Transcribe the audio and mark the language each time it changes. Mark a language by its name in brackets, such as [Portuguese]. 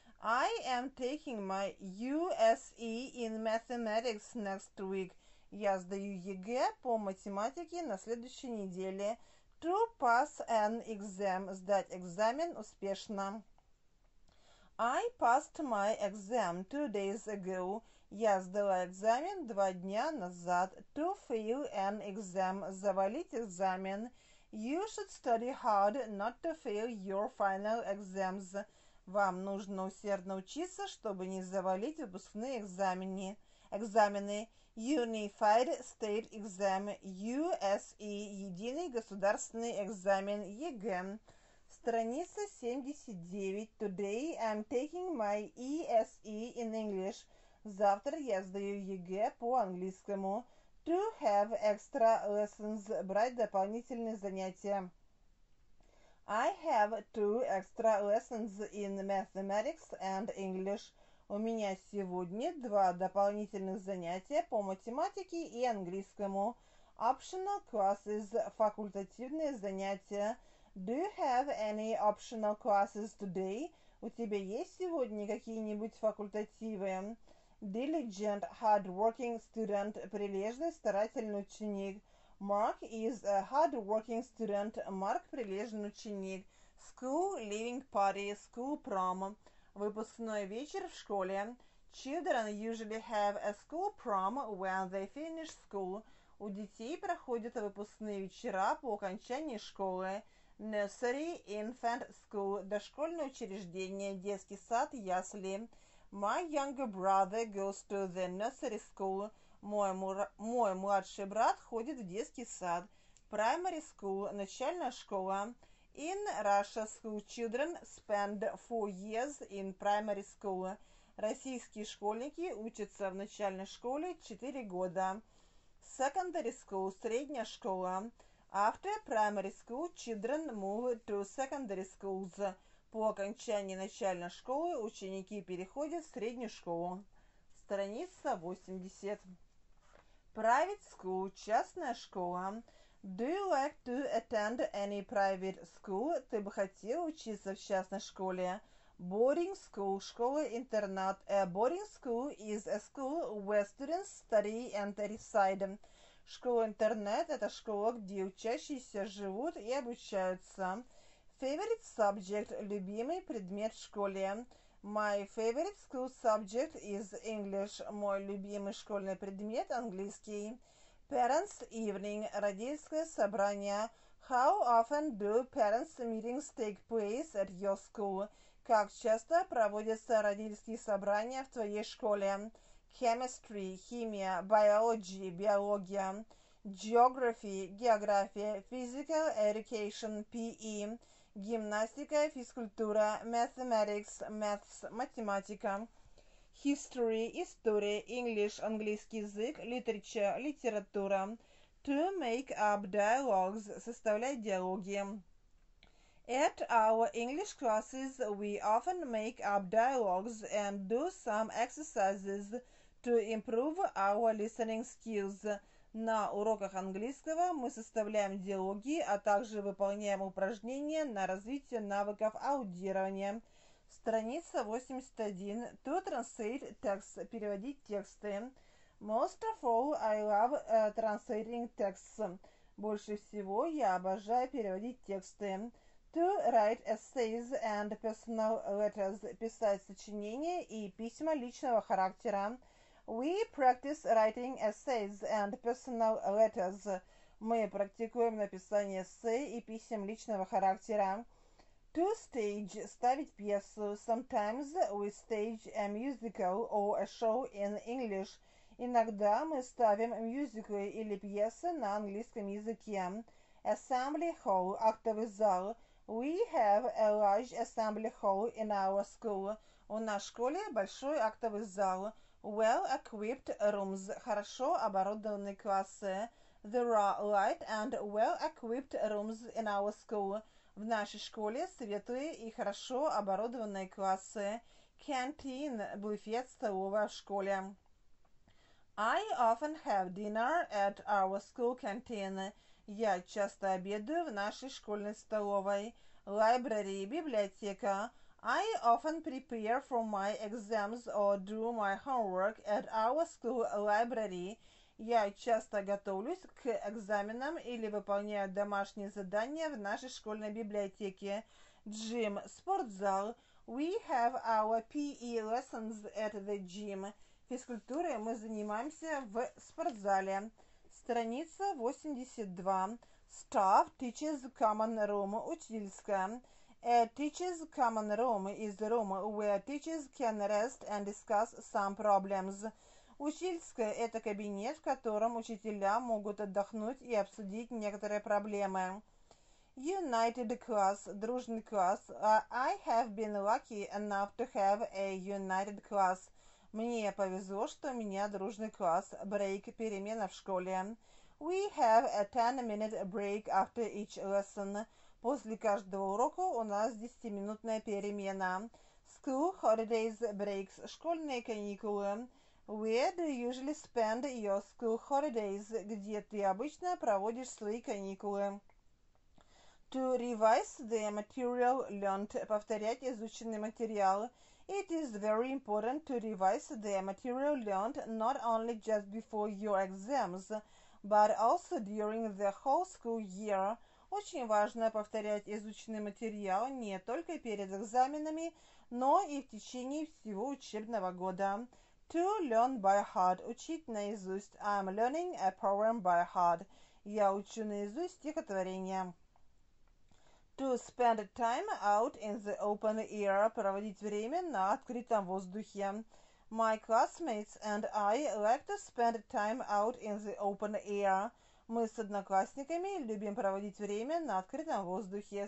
[English] I am taking my USE in mathematics next week – [Russian] я сдаю ЕГЭ по математике на следующей неделе. [English] To pass an exam, [Russian] сдать экзамен успешно. [English] I passed my exam 2 days ago. [Russian] Я сдала экзамен 2 дня назад. [English] To fail an exam, [Russian] завалить экзамен. [English] You should study hard not to fail your final exams. Вам нужно усердно учиться, чтобы не завалить выпускные экзамены. Unified State Exam, USE, [Russian] единый государственный экзамен, [English] ЕГЭ. Страница 79. Today I'm taking my ESE in English. [Russian] Завтра я сдаю ЕГЭ по английскому. [English] To have extra lessons, [Russian] брать дополнительные занятия. [English] I have 2 extra lessons in mathematics and English. [Russian] У меня сегодня 2 дополнительных занятия по математике и английскому. [English] Optional classes, [Russian] факультативные занятия. [English] Do you have any optional classes today? [Russian] У тебя есть сегодня какие-нибудь факультативы? [English] Diligent, hard-working student, [Russian] прилежный, старательный ученик. [English] Mark is a hard-working student. Mark – [Russian] прилежный ученик. [English] School leaving party, school prom. [Russian] Выпускной вечер в школе. [English] Children usually have a school prom when they finish school. [Russian] У детей проходят выпускные вечера по окончании школы. [English] Nursery, infant school, [Russian] дошкольное учреждение, детский сад, ясли. [English] My younger brother goes to the nursery school. [Russian] Мой младший брат ходит в детский сад. [English] Primary school, [Russian] начальная школа. [English] In Russia, school children spend 4 years in primary school. [Russian] Российские школьники учатся в начальной школе 4 года. [English] Secondary school, [Russian] средняя школа. [English] After primary school, children move to secondary schools. [Russian] По окончании начальной школы ученики переходят в среднюю школу. Страница 80. [English] Private school, [Russian] частная школа. [English] Do you like to attend any private school? [Russian] Ты бы хотел учиться в частной школе? [English] Boarding school, школа-интернат. A boarding school is a school where students study and reside. [Russian] Школа-интернат – это школа, где учащиеся живут и обучаются. [English] Favorite subject [Russian] – любимый предмет в школе. [English] My favorite school subject is English. [Russian] Мой любимый школьный предмет – английский. [English] Parents' evening – [Russian] родительское собрание. [English] How often do parents' meetings take place at your school? [Russian] Как часто проводятся родительские собрания в твоей школе? [English] Chemistry – химия. Biology – биология. Geography – география. Physical education – PE. [Russian] Гимнастика, физкультура, [English] mathematics, maths, [Russian] математика. History, история, English, английский язык, literature, литература. [English] To make up dialogues, [Russian] составлять диалоги. [English] At our English classes, we often make up dialogues and do some exercises to improve our listening skills. [Russian] На уроках английского мы составляем диалоги, а также выполняем упражнения на развитие навыков аудирования. [English] Страница 81. To translate text. [Russian] Переводить тексты. [English] Most of all, I love translating texts. [Russian] Больше всего я обожаю переводить тексты. [English] To write essays and personal letters. [Russian] Писать сочинения и письма личного характера. [English] We practice writing essays and personal letters. [Russian] Мы практикуем написание эссе и писем личного характера. [English] To stage – [Russian] ставить пьесу. [English] Sometimes we stage a musical or a show in English. [Russian] Иногда мы ставим мюзиклы или пьесы на английском языке. [English] Assembly hall – [Russian] актовый зал. [English] We have a large assembly hall in our school. [Russian] У нас в школе большой актовый зал. [English] Well-equipped rooms [Russian] – хорошо оборудованные классы. [English] There are light and well-equipped rooms in our school. [Russian] В нашей школе светлые и хорошо оборудованные классы. [English] Canteen [Russian] – буфет, столовая в школе. [English] I often have dinner at our school canteen. [Russian] Я часто обедаю в нашей школьной столовой. [English] Library – библиотека. I often prepare for my exams or do my homework at our school library. [Russian] Я часто готовлюсь к экзаменам или выполняю домашние задания в нашей школьной библиотеке. [English] Gym, спортзал. We have our PE lessons at the gym. [Russian] Физкультурой мы занимаемся в спортзале. [English] Страница 82. Staff, teachers, common room, учительская. A teacher's common room is a room where teachers can rest and discuss some problems. [Russian] Учительская – это кабинет, в котором учителя могут отдохнуть и обсудить некоторые проблемы. [English] United class – [Russian] дружный класс. [English] I have been lucky enough to have a united class. [Russian] Мне повезло, что у меня дружный класс. [English] Break – [Russian] перемена в школе. [English] We have a 10-minute break after each lesson. [Russian] После каждого урока у нас 10-минутная перемена. [English] School holidays breaks – [Russian] школьные каникулы. [English] Where do you usually spend your school holidays? [Russian] Где ты обычно проводишь свои каникулы? [English] To revise the material learned. [Russian] Повторять изученный материал. [English] It is very important to revise the material learned not only just before your exams, but also during the whole school year. [Russian] Очень важно повторять изученный материал не только перед экзаменами, но и в течение всего учебного года. [English] To learn by heart. [Russian] Учить наизусть. [English] I'm learning a poem by heart. [Russian] Я учу наизусть стихотворение. [English] To spend time out in the open air. [Russian] Проводить время на открытом воздухе. [English] My classmates and I like to spend time out in the open air. [Russian] Мы с одноклассниками любим проводить время на открытом воздухе.